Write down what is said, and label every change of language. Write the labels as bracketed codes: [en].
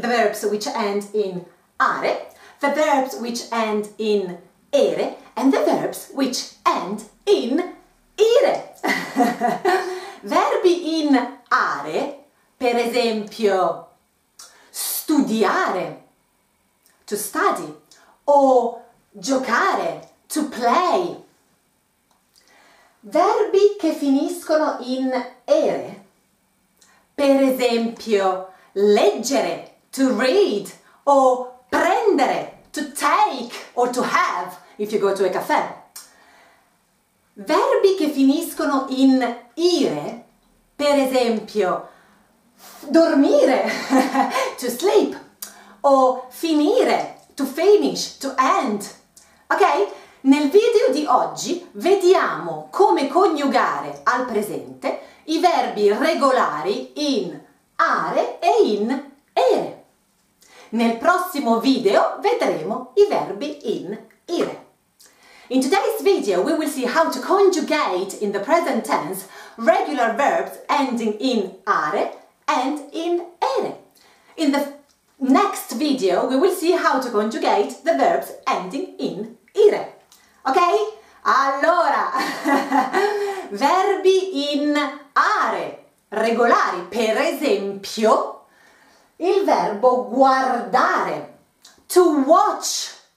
[en] The verbs which end in are, the verbs which end in ere, and the verbs which end in ire. [it] Verbi in are, per esempio, studiare, [en] to study, [it] o giocare, [en] to play. [it] Verbi che finiscono in ere, per esempio, leggere, [en] to read, [it] o prendere, [en] to take, or to have, if you go to a cafe. [it] Verbi che finiscono in ire, per esempio, dormire, [en] to sleep, [it] o finire, [en] to finish, to end, [it] ok? Nel video di oggi vediamo come coniugare al presente i verbi regolari in are e in ere. Nel prossimo video vedremo i verbi in ire. [en] In today's video we will see how to conjugate in the present tense regular verbs ending in are and in ere. In the next video we will see how to conjugate the verbs ending in ire. Ok? [it] Allora, verbi in are, regolari, per esempio, il verbo guardare, [en] to watch.